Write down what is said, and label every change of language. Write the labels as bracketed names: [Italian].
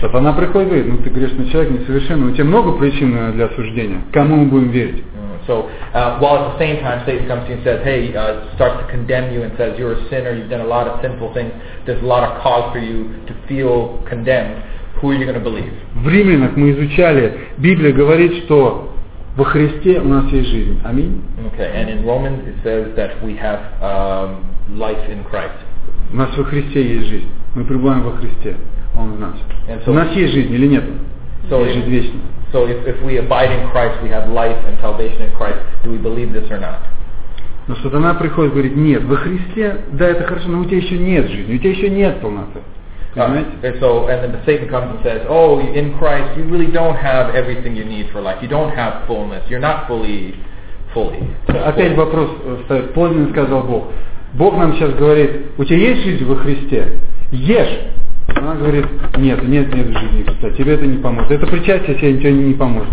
[Russian] Сатана приходит и говорит, ну ты грешный человек, несовершенный, у тебя много причин для осуждения. Кому мы будем верить? [English] While at the same time Satan comes to you and says, hey, starts to condemn you and says, you're a sinner, you've done a lot of sinful things, there's a lot of cause for you to feel condemned, who are you going to believe? [Russian] В Римлянах мы изучали, Библия говорит, что во Христе у нас есть жизнь. Аминь. [English] Okay, and in Romans it says that we have life in Christ. [Russian] У нас во Христе есть жизнь. Мы пребываем во Христе. Он в нас. У нас есть жизнь или нет? Есть жизнь вечная. [English] So if we abide in Christ, we have life and salvation in Christ. Do we believe this or not? [Russian] Но сатана приходит и говорит, нет, во Христе, да, это хорошо, но у тебя еще нет жизни, у тебя еще нет полноты. [English] And so, and then the Satan comes and says, "Oh, in Christ, you really don't have everything you need for life. You don't have fullness. You're not fully." [Russian] Опять вопрос ставит. Подлинно сказал Бог. Бог нам сейчас говорит: у тебя есть жизнь во Христе? Ешь. Она говорит: нет жизни. Кстати, тебе это не поможет. Это причастие тебе не поможет.